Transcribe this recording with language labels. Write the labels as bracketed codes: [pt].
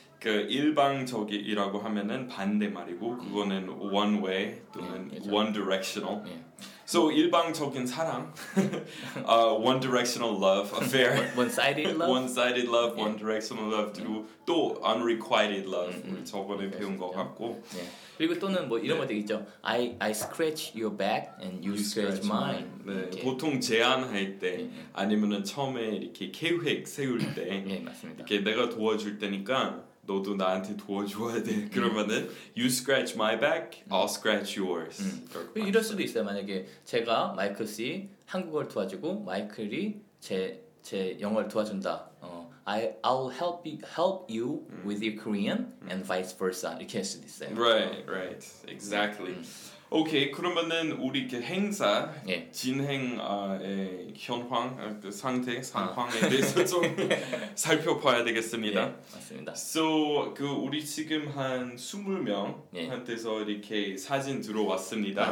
[ko] 그 일방적이라고 하면은 반대말이고 그거는 [en] one way [ko] 또는 네, [en] one directional. [ko] 네. [en] So [ko] 일방적인 사랑. [en] one directional love affair. One-sided love. One-sided love, one directional love [ko] 그리고 또 [en] unrequited love. [ko] 저번에 배운 것 같고. 네. 그리고 또는 뭐 이런 것도 있죠. [en] I scratch your back and you scratch mine. [ko] 네, 보통 제안할 때 아니면은 처음에 이렇게 계획 세울 때 네, 맞습니다. 이렇게 내가 도와줄 테니까 너도 나한테 도와줘야 돼. 그러면은 [en] you scratch my back, I'll scratch yours. [ko] 이럴 수도 있어요. 만약에 제가 마이클 씨 한국어를 도와주고 마이클이 제 영어를 도와준다. [en] I'll help you with your Korean and vice versa. [ko] 이렇게 할 수도 있어요. [en] Right. Exactly. Okay. [ko] 그러면은 우리 그 행사 진행의 현황, 그 상태, 상황에 대해서 좀 살펴봐야 되겠습니다. 예, 맞습니다. So 그 우리 지금 한 20명한테서 예. 이렇게 사진 들어왔습니다.